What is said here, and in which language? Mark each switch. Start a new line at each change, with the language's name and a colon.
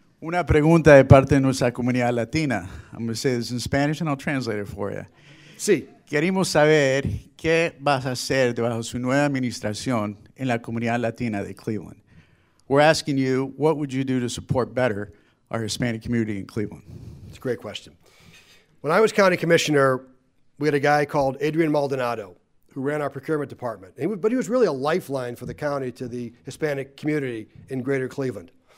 Spanish: Una pregunta de parte de nuestra comunidad latina.
English: I'm going to say this in Spanish and I'll translate it for you.
Spanish: Sí. Queremos saber qué vas a hacer debajo su nueva administración en la comunidad latina de Cleveland.
English: We're asking you, what would you do to support better our Hispanic community in Cleveland? It's a great question. When I was county commissioner, we had a guy called Adrian Maldonado, who ran our procurement department. But he was really a lifeline for the county to the Hispanic community in greater Cleveland.